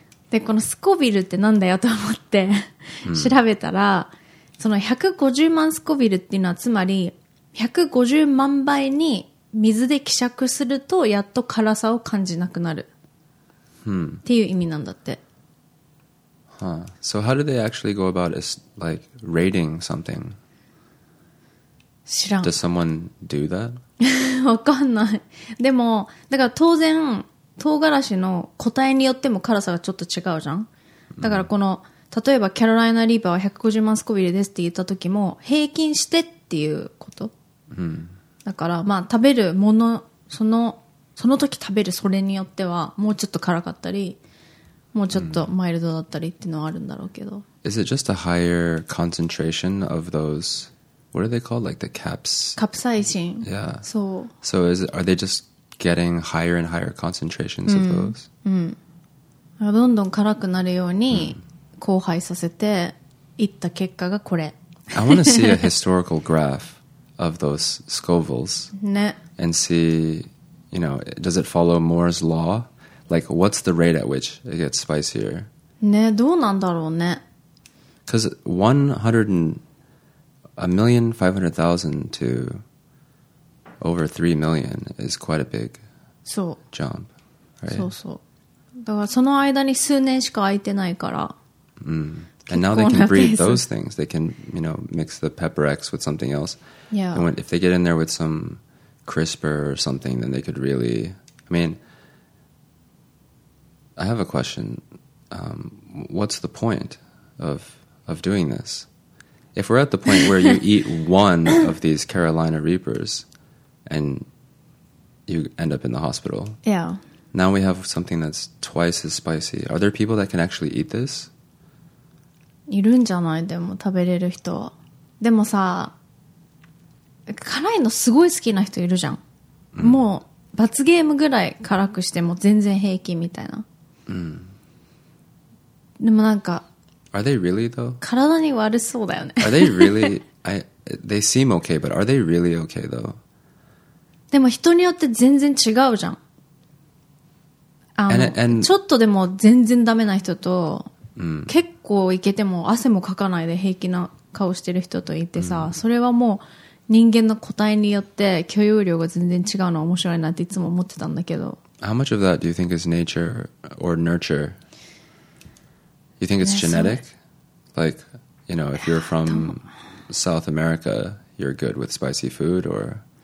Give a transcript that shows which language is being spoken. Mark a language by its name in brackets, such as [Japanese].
[Japanese] でこのスコヴィルってなんだよと思って調べたら、その150万スコヴィルっていうのはつまり150万倍に水で希釈するとやっと辛さを感じなくなるっていう意味なんだって。 [English] はあ、So how do they actually go about this, like rating something? [Japanese] 知らん。 [English] Does someone do that? [Japanese] わかんない。でもだから当然唐辛子の個体によっても辛さがちょっと違うじゃん。だからこの、例えばキャロライナリーパーは150万スコヴィルですって言った時も平均してっていうこと、だからまあ食べるもの、その時食べるそれによってはもうちょっと辛かったり、もうちょっとマイルドだったりっていうのはあるんだろうけど、 [English] Is it just a higher concentration of thoseWhat are they called? Like the caps? Capsaicin. Yeah. So, are they just getting higher and higher concentrations of those? [Japanese] うん。どんどん辛くなるように荒廃させていった結果がこれ。 [English] I want to see a historical graph of those Scovilles. [Japanese] ね。 [English] And see, you know, does it follow Moore's law? Like, what's the rate at which it gets spicier? [Japanese] ね、どうなんだろうね。 [English] Because 1,500,000 to over 3 million is quite a big jump, right? [Japanese] そうそう。だからその間に数年しか空いてないから。 [English] And now they can breed those things. They can, you know, mix the pepper X with something else. Yeah. And when, if they get in there with some CRISPR or something, then they could really... I mean, I have a question. What's the point of doing this? If we're at the point where you eat one of these Carolina Reapers and you end up in the hospital. Yeah. Now we have something that's twice as spicy. Are there people that can actually eat this? [Japanese] いるんじゃない？でも食べれる人は。でもさ、辛いのすごい好きな人いるじゃん。もう罰ゲームぐらい辛くしても全然平気みたいな。でもなんか [English] Are they really though? [Japanese] 体に悪そうだよね [English] Are they really? They seem okay, but are they really okay though? [Japanese] でも人によって全然違うじゃん。ちょっとでも全然ダメな人と、結構いけても汗もかかないで平気な顔してる人といてさ、それはもう人間の個体によって許容量が全然違うのは面白いなっていつも思ってたんだけど。 [English] How much of that do you think is nature or nurture? You think it's genetic? Like, you know, if you're from South America, you're good with spicy food or?